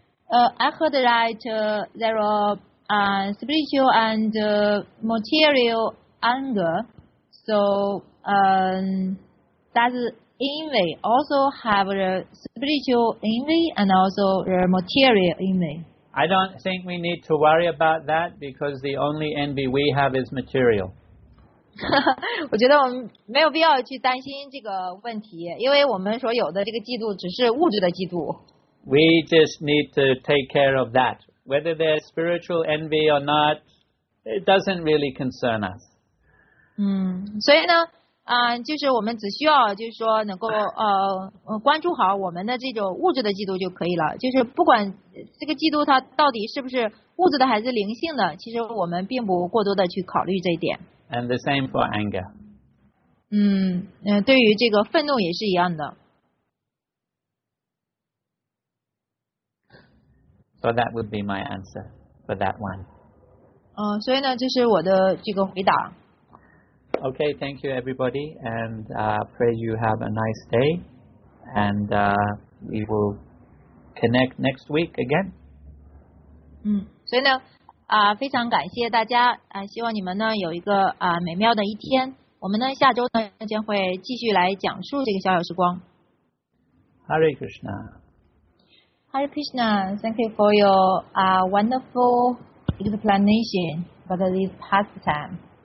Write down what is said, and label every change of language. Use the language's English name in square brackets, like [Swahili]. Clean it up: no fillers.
[English] I heard that there are spiritual and material anger. So, does envy also have the spiritual envy and also the material envy? I don't think we need to worry about that because the only envy we have is material. [Chinese] 我觉得我们没有必要去担心这个问题，因为我们所有的这个嫉妒只是物质的嫉妒。 [English] We just need to take care of that. Whether there's spiritual envy or not, it doesn't really concern us. [Chinese] 嗯，所以呢，啊，就是我们只需要就是说能够关注好我们的这种物质的嫉妒就可以了。就是不管这个嫉妒它到底是不是物质的还是灵性的，其实我们并不过多的去考虑这一点。 [English] And the same for anger. [Chinese] 嗯，对于这个愤怒也是一样的。 [English] So that would be my answer for that one. [Chinese] 所以呢，这是我的这个回答。 [English] Okay, thank you everybody, and pray you have a nice day, and we will connect next week again. [Chinese] 嗯，所以呢。非常感谢大家希望你们呢有一个美妙的一天。我们呢下周呢将会继续来讲述这个小小时光。 [English] Hare Krishna. Hare Krishna, thank you for your wonderful explanation about this pastime.